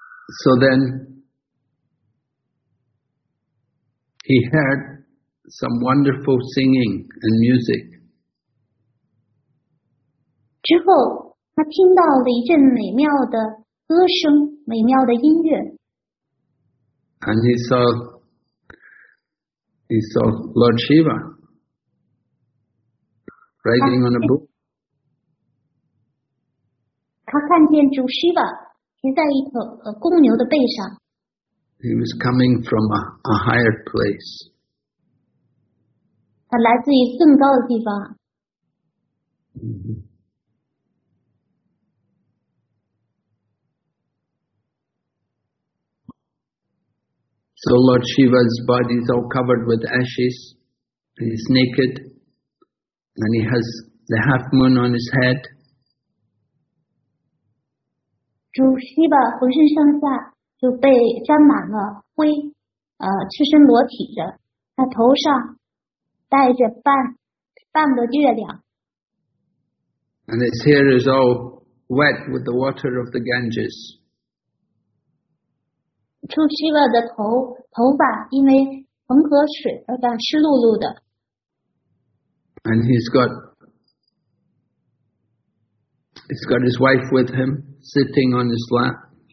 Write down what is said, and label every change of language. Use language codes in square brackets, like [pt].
[en] So then, he heard some wonderful singing and music. [zh] 之后，他听到了一阵美妙的歌声，美妙的音乐。 [en] And he saw Lord Shiva writing on a book. [zh] 他看见主 Shiva。骑在一头公牛的背上。 [en] He was coming from a higher place. [zh] 他来自于更高的地方。 [en] So Lord Shiva's body is all covered with ashes. He's naked, and he has the half moon on his head. [zh] 主西巴浑身上下就被沾满了灰，赤身裸体着，他头上戴着半个月亮。 [en] And his hair is all wet with the water of the Ganges. [zh] 主西巴的头发因为恒河水而干湿漉漉的。 [en] And he's got his wife with him. Sitting on his lap.